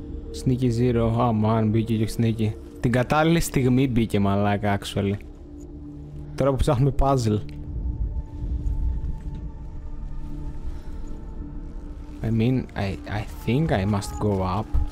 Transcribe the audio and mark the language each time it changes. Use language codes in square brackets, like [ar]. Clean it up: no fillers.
[en] Sneaky Zero, oh man, [el] μπήκε και [en] Sneaky. [el] Την κατάλληλη στιγμή μπήκε, μαλάκα, actually. Τώρα που ψάχνουμε [en] puzzle. I mean, I think I must go up.